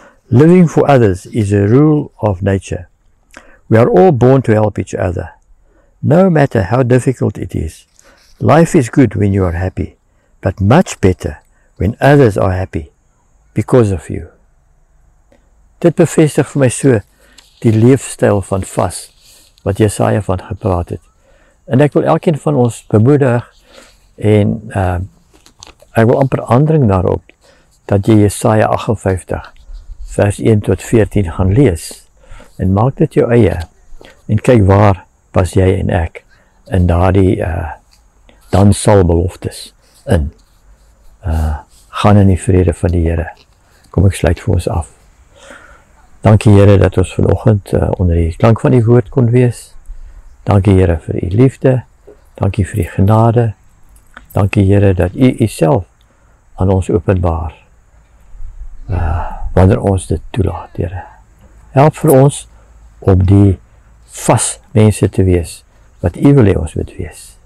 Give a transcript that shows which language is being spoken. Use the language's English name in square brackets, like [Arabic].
[English] Living for others is a rule of nature. We are all born to help each other. No matter how difficult it is, life is good when you are happy, but much better when others are happy because of you. [Afrikaans] Dit bevestig vir my so die leefstyl van vas, wat Jesaja van gepraat het. En ek wil elkeen van ons bemoedig en ek wil amper aandring daarop dat jy Jesaja 58 vers 1 tot 14 gaan lees en maak dit jou eie en kyk waar was jy en ek in daardie dan sal beloftes in. Gaan in die vrede van die Here. Kom ek sluit vir ons af. Dankie Here dat ons vanoggend onder die klank van die woord kon wees. Dankie Here vir u liefde. Dankie vir die genade. Dankie Here dat u uself aan ons openbaar. Wanneer ons dit toelaat, Here. Help vir ons om die vas mense te wees wat u wil hê ons moet wees.